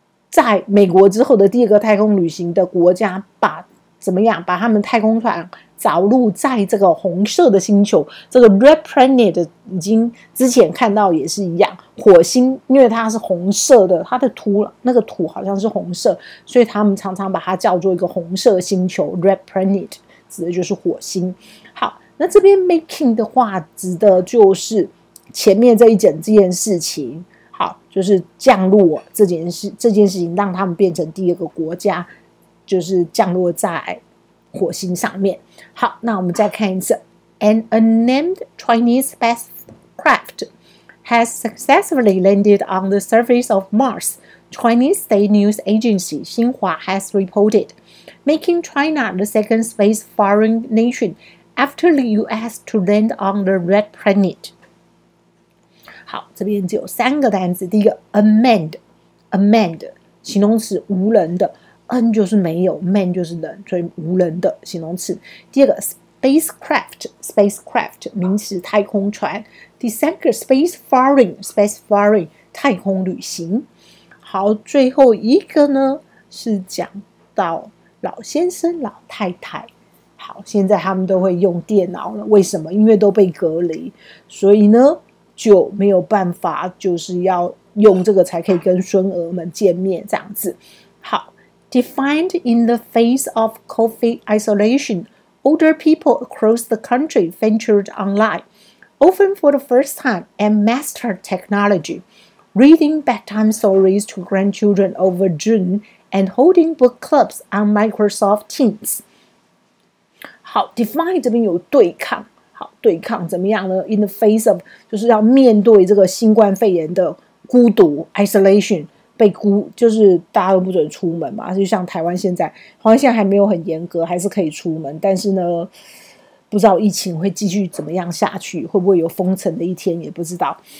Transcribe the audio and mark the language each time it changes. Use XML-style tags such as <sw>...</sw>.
<zh>在美国之后的第二个太空旅行的国家，把怎么样把他们太空船着陆在这个红色的星球，这个 red planet 已经之前看到也是一样，火星因为它是红色的，它的土那个土好像是红色，所以他们常常把它叫做一个红色星球 red planet， 指的就是火星。好，那这边 making 的话指的就是前面这一整这件事情，好，就是降落这件事情让他们变成第二个国家，就是降落在火星上面。好，那我们再看一次。</zh> <en>An unnamed Chinese spacecraft has successfully landed on the surface of Mars, Chinese state news agency Xinhua has reported, making China the second space-faring nation after the U.S. to land on the red planet.</en> <zh>好，这边只有三个单词。第一个 unmanned 形容词，无人的。 N 就是没有 ，man 就是人，所以无人的形容词。第二个 spacecraft 名词，太空船。第三个 space faring 太空旅行。好，最后一个呢是讲到老先生老太太。好，现在他们都会用电脑了。为什么？因为都被隔离，所以呢就没有办法，就是要用这个才可以跟孙儿们见面这样子。</zh> <en>好 ，Defined in the face of COVID isolation, older people across the country ventured online, often for the first time, and mastered technology, reading bedtime stories to grandchildren over Zoom and holding book clubs on Microsoft Teams.</en> <zh>好 ，Defined 这边有对抗。好，对抗怎么样呢 ？</zh> <en>In the face of</en> <zh>就是要面对这个新冠肺炎的孤独 isolation， 被孤就是大家都不准出门嘛，就像台湾现在，好像现在还没有很严格，还是可以出门，但是呢，不知道疫情会继续怎么样下去，会不会有封城的一天也不知道。</zh>